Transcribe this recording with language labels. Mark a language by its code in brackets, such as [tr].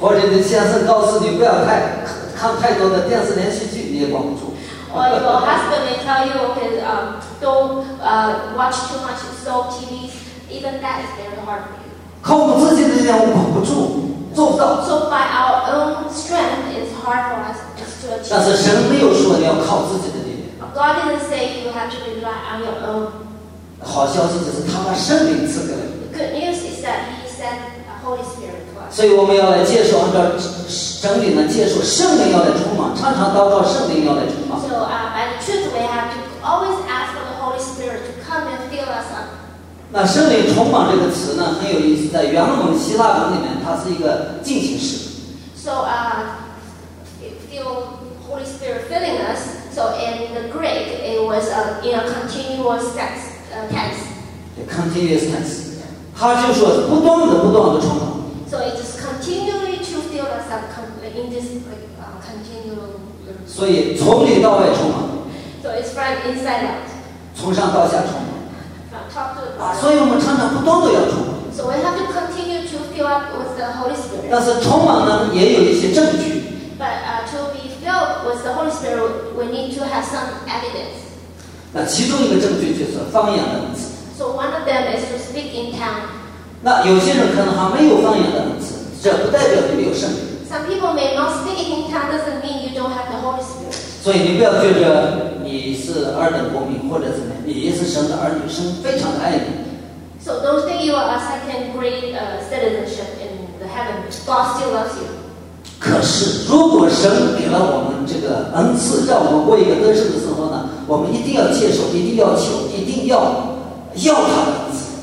[zh] 或者你的先生告诉你不要看太多的电视连续剧，你也管不住。 [en] or your husband may tell you, okay, don't watch too much soap TV, even that is very hard for you. [zh] 靠我自己的力量，我管不住，做不到。 [en] So by our own strength, it's hard for us to achieve. [zh] 但是神没有说你要靠自己的力量。 [en] God didn't say you have to rely on your own. [zh] 好消息就是他把圣灵赐给了。 [en] Good news is that He sent the Holy Spirit to us. [zh] 所以我们要来接受，按照整理呢，接受圣灵要来充满，常常祷告圣灵要来充满。 [en] So by the truth, we have to always ask for the Holy Spirit to come and fill us up. [zh] 那圣灵充满这个词呢很有意思，在原文希腊文里面它是一个进行式。 [en] So, Holy Spirit filling us, so in the Greek, it was in a continuous tense. Continuous tense. [zh] 它就说是不断的、不断的充满。 [en] So it is continually to fill us up in this continual. [zh] 所以从里到外充满。 [en] So it's from inside out. [zh] 从上到下充满。所以我们常常不断地要充满。 [en] So we have to continue to fill up with the Holy Spirit. [zh] 但是充满呢，也有一些证据。 [en] But to be filled with the Holy Spirit, we need to have some evidence. [zh] 那其中一个证据就是方言的恩赐。 [en] So one of them is to speak in tongues. [zh] 那有些人可能还没有方言的恩赐，这不代表你没有圣灵。 [en] Some people may not speak in tongues, doesn't mean you don't have the Holy Spirit. [zh] 所以你不要觉得你是二等公民或者怎么样。你也是神的儿女，神非常爱你。 [en] So don't think you are a second grade citizenship in the heaven. God still loves you. [zh] 可是，如果神给了我们这个恩赐，让我们过一个得胜的生活呢？我们一定要接受，一定要求，一定要他的恩赐。